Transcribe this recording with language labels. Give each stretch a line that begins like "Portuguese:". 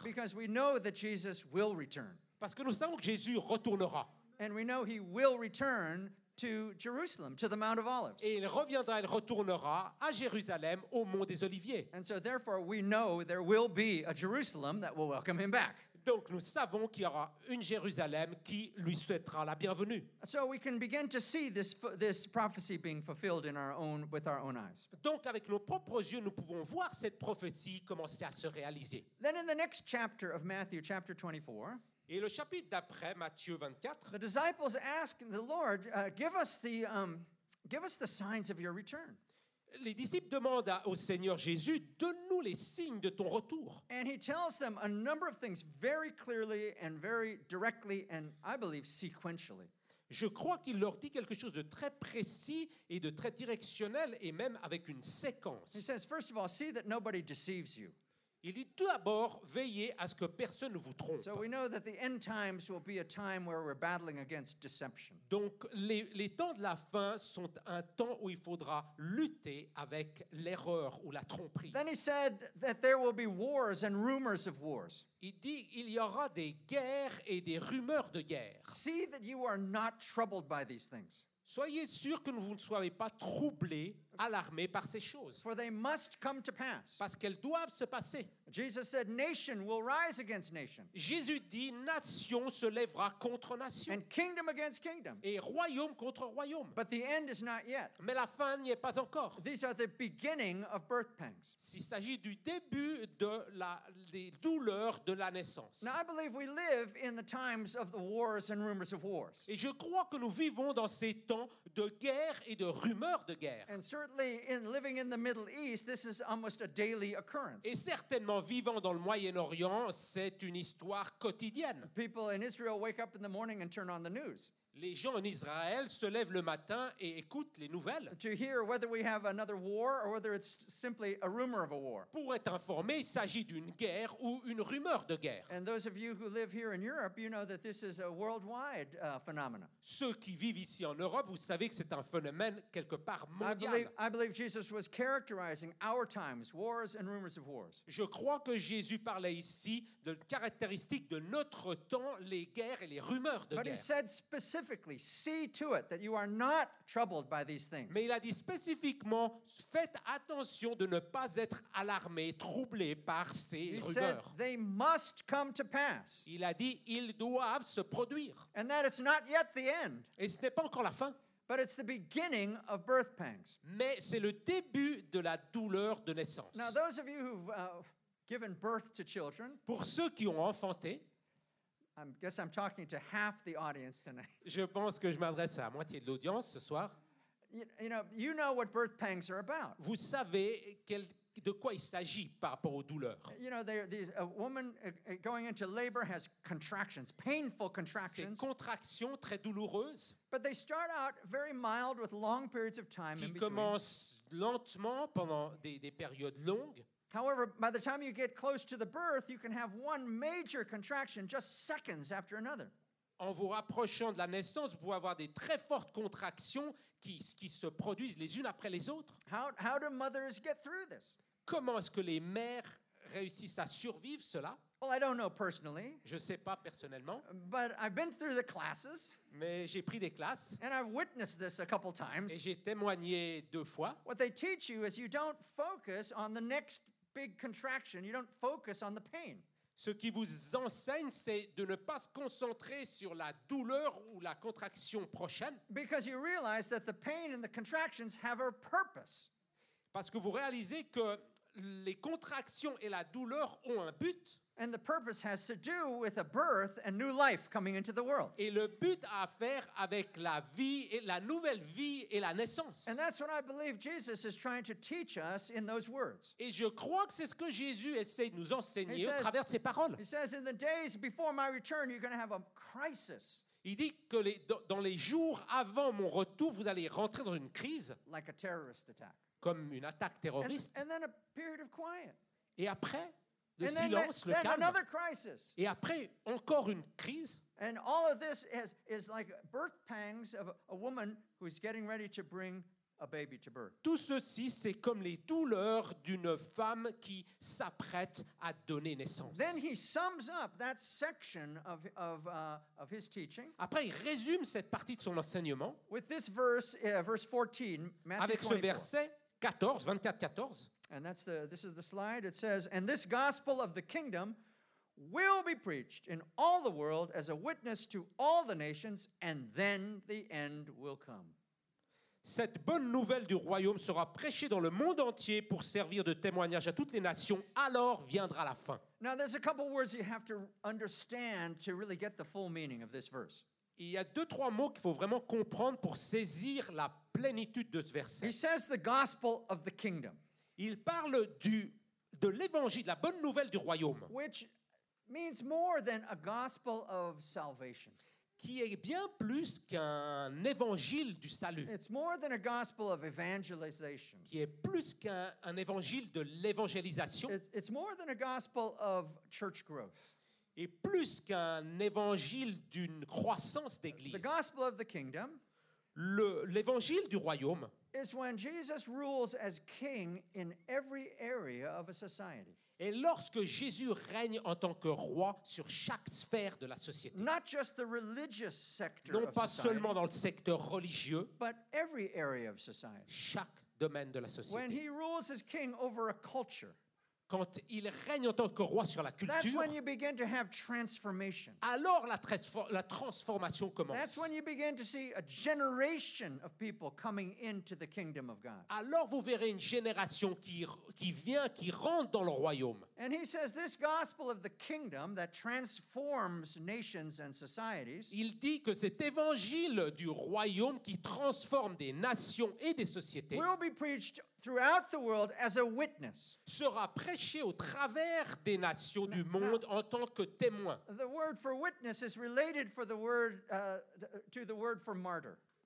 English: Because we know that Jesus will return.
French: Parce que nous savons que Jésus retournera.
English: And we know he will return to Jerusalem, to the Mount of Olives.
French: Et il reviendra, il retournera à Jérusalem, au Mont des Oliviers.
English: And so therefore we know there will be a Jerusalem that will welcome him back.
French: Donc nous savons qu'il y aura une Jérusalem qui lui souhaitera la bienvenue.
English: So we can begin to see this prophecy being fulfilled in our own with our own eyes.
French: Donc avec nos propres yeux nous pouvons voir cette prophétie commencer à se réaliser.
English: Then in the next chapter of Matthew chapter 24,
French: et le chapitre d'après Matthieu 24,
English: the disciples ask the Lord, give us the signs of your return.
French: Les disciples demandent au Seigneur Jésus, donne-nous les signes de ton retour.
English: And he tells them a number of things very clearly and very directly and I believe sequentially.
French: Je crois qu'il leur dit quelque chose de très précis et de très directionnel et même avec une séquence.
English: He says, first of all, see that nobody deceives you.
French: Il dit tout d'abord, veillez à ce que personne ne vous trompe.
English: So we know that the end times will be a time where we're battling against deception.
French: Donc les temps de la fin sont un temps où il faudra lutter avec l'erreur ou la tromperie.
English: Then he said that there will be wars and rumors of wars.
French: Il dit il y aura des guerres et des rumeurs de guerre.
English: See that you are not troubled by these things.
French: Soyez sûr que vous ne soyez pas troublés, alarmés par ces choses.
English: For they must come to pass.
French: Parce qu'elles doivent se passer.
English: Jesus said, nation will rise against nation.
French: Jésus dit, nation se lèvera contre nation.
English: And kingdom against kingdom.
French: Et royaume contre royaume.
English: But the end is not yet.
French: Mais la fin n'y est pas encore.
English: These are the beginning of birth pangs.
French: S'il s'agit du début de les douleurs de la naissance.
English: Now I believe we live in the times of the wars and rumors of wars.
French: Et je crois que nous vivons dans ces temps de guerre et de rumeurs de guerre.
English: And certainly in living in the Middle East, this is almost a daily occurrence.
French: Et certainement vivant dans le Moyen-Orient, c'est une histoire quotidienne.
English: People in Israel wake up in the morning and turn on the news.
French: Les gens en Israël se lèvent le matin et écoutent les nouvelles.
English: To hear whether we have another war or whether it's simply a rumor of a war.
French: Pour être informé, il s'agit d'une guerre ou une rumeur de guerre.
English: And those of you who live here in Europe, you know that this is a worldwide phenomenon.
French: Ceux qui vivent ici en Europe, vous savez que c'est un phénomène quelque part mondial.
English: I believe Jesus was characterizing our times, wars and rumors of wars.
French: Je crois que Jésus parlait ici de caractéristiques de notre temps, les guerres et les rumeurs de guerre.
English: But he said specifically, see to it that you are not troubled by these things.
French: Mais il a dit spécifiquement, faites attention de ne pas être alarmé, troublé par ces rumeurs.
English: He said they must come to pass.
French: Il a dit ils doivent se produire.
English: And that it's not yet the end.
French: Et ce n'est pas encore la fin.
English: But it's the beginning of birth pangs.
French: Mais c'est le début de la douleur de naissance.
English: Now those of you who've given birth to children.
French: Pour ceux qui ont enfanté.
English: I guess I'm talking to half the audience tonight.
French: Je pense que je m'adresse à la moitié de l'audience ce soir.
English: You know what birth pangs are about.
French: Vous savez de quoi il s'agit par rapport aux douleurs.
English: You know, a woman going into labor has contractions, painful contractions.
French: Ces contractions très douloureuses.
English: But they start out very mild with long periods of time.
French: Qui commencent lentement pendant des périodes longues.
English: However, by the time you get close to the birth, you can have one major contraction just seconds after another.
French: En vous rapprochant de la naissance, vous pouvez avoir des très fortes contractions qui se produisent les unes après les autres.
English: How do mothers get through this?
French: Comment est-ce que les mères réussissent à survivre cela?
English: Well, I don't know personally.
French: Je sais pas personnellement.
English: But I've been through the classes.
French: Mais j'ai pris des classes.
English: And I've witnessed this a couple times.
French: Et j'ai témoigné deux fois.
English: What they teach you is you don't focus on the next big contraction. You don't focus on the pain.
French: Ce qui vous enseigne, c'est de ne pas se concentrer sur la douleur ou la contraction prochaine.
English: Because you realize that the pain and the contractions have a purpose.
French: Parce que vous réalisez que les contractions et la douleur ont un but.
English: And the purpose has to do with a birth and new life coming into the world.
French: Et le but a à faire avec la vie et la nouvelle vie et la naissance.
English: And that's what I believe Jesus is trying to teach us in those words.
French: Et je crois que c'est ce que Jésus essaie de nous enseigner au travers de ses paroles.
English: He says, in the days before my return, you're going to have a crisis.
French: Il dit que dans les jours avant mon retour, vous allez rentrer dans une crise.
English: Like a terrorist attack.
French: Comme une attaque terroriste.
English: And then a period of quiet.
French: Et après le
English: and
French: silence,
English: then,
French: le calme.
English: Another crisis.
French: Et après, encore une crise.
English: And all of this is like birth pangs of a woman who's getting ready to bring a baby to birth.
French: Tout ceci, c'est comme les douleurs d'une femme qui s'apprête à donner naissance.
English: Then he sums up that section of his teaching.
French: Après, il résume cette partie de son enseignement.
English: With this verse, verse 14, Matthew
French: avec 24. Ce verset 14, 24-14.
English: And that's the, this is the slide. It says, and this gospel of the kingdom will be preached in all the world as a witness to all the nations, and then the end will come.
French: Cette bonne nouvelle du royaume sera prêchée dans le monde entier pour servir de témoignage à toutes les nations. Alors viendra la fin.
English: Now, there's a couple words you have to understand to really get the full meaning of this verse.
French: Il y a deux, trois mots qu'il faut vraiment comprendre pour saisir la plénitude de ce verset.
English: He says the gospel of the kingdom.
French: Il parle de l'évangile, de la bonne nouvelle du royaume.
English: Which means more than a gospel of salvation.
French: Qui est bien plus qu'un évangile du salut.
English: It's more than a gospel of evangelization.
French: Qui est plus qu'un évangile de l'évangélisation.
English: It's more than a gospel of church growth.
French: Et plus qu'un évangile d'une croissance d'église.
English: The gospel of the kingdom.
French: L'évangile du royaume.
English: Is when Jesus rules as king in every area of a society.
French: Et lorsque Jésus règne en tant que roi sur chaque sphère de la société.
English: Not just the religious sector.
French: Non
English: of
French: pas
English: society,
French: seulement dans le secteur religieux.
English: But every area of society.
French: Chaque domaine de la société.
English: When he rules as king over a culture.
French: Quand il règne en tant que roi sur la culture.
English: That's when you begin to have transformation.
French: Alors la transformation commence.
English: That's when you begin to see a generation of people coming into the kingdom of God.
French: Alors vous verrez une génération qui vient, qui rentre dans le royaume.
English: And he says this gospel of the kingdom that transforms nations and societies.
French: Il dit que cet évangile du royaume qui transforme des nations et des sociétés.
English: Will be preached throughout the world as a witness.
French: Sera prêché au travers des nations du monde en tant que témoin.
English: The word for witness is related for the word to the word for martyr.